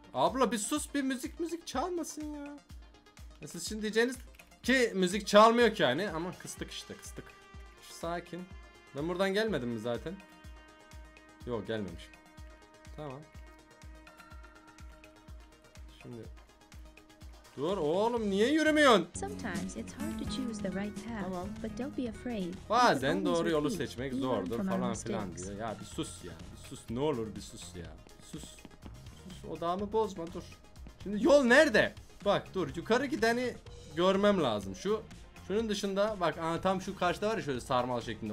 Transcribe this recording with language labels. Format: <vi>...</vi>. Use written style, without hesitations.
<tr>Abla bir sus, bir müzik çalmasın ya. Ya siz şimdi diyeceğiniz ki müzik çalmıyor ki yani, ama kıstık. Şu sakin. Ben buradan gelmedim mi zaten? Yok, gelmemiş. Tamam. Şimdi dur oğlum, niye yürümüyorsun?</tr> <en>Sometimes it's hard to choose the right path. Tamam. But don't be afraid.</en> <tr>Bazen doğru yolu seçmek zordur falan filan diyor. Ya bir sus ya. Bir sus, ne olur bir sus ya. Sus. Sus, odağımı bozma, dur. Şimdi yol nerede? Bak dur, yukarı gideni görmem lazım. Şunun dışında bak, tam şu karşıda var ya, şöyle sarmal şeklinde.</tr>